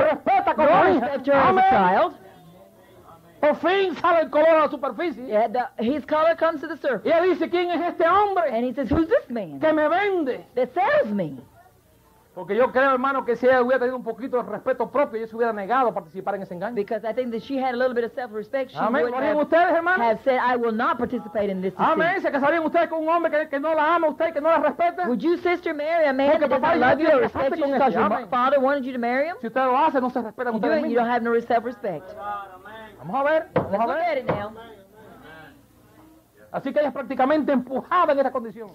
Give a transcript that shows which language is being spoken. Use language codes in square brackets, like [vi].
[en] her. Amen. Child. [es] Por fin sale el color a la superficie. [en] Yeah, his color comes to the surface. [es] Y él dice, ¿quién es este hombre? [en] And he says, who's this man? [es] Que me vende. [en] That sells me. [es] Porque yo creo, hermano, que si ella hubiera tenido un poquito de respeto propio, ella se hubiera negado a participar en ese engaño. [en] Because I think that she had a little bit of self-respect, she [es] amén. [en] Would have, [es] ustedes, hermano, [en] have said, I will not participate in this deceit. [es] Amén. ¿Se casarían ustedes con un hombre que no la ama usted, que no la respeta? [en] Would you, sister, marry a man that doesn't [es] papá, [en] love you or respect you because your father wanted you to marry him? [es] Si usted lo hace, no se respeta usted mismo. [en] You don't have no self-respect. [es] Vamos a ver. Vamos [en] Let's [es] a ver. [en] Look at it now. [es] Así que ella es prácticamente empujada en esta condición.